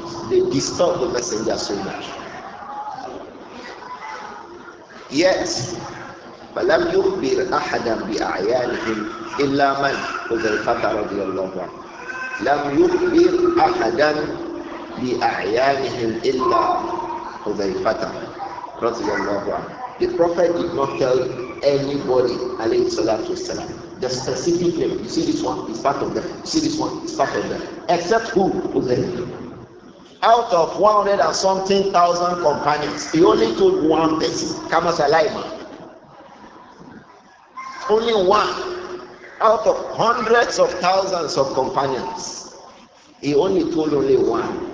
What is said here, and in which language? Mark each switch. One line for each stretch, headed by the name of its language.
English: They disturb the messenger so much.
Arabic: Yet, فَلَمْ يُخْبِرْ أَحَدًا بِأَعْيَانِهِمْ إِلَّا مَنْ حُذَيْفَةَ رَضِيَ اللَّهُ عَنْهُ لَمْ يُخْبِرْ أَحَدًا بِأَعْيَانِهِمْ إِلَّا حُذَيْفَةَ رَضِيَ اللَّهُ عَنْهُ
English: The Prophet did not tell anybody, عليه الصلاة والسلام, the specific name. You see this one, it's part of them. You see this one, it's part of them. Except who? Hudhayfah. Out of 100 and something thousand companions, he only told one person, Kama Salaima. Only one. Out of hundreds of thousands of companions, he only told only one.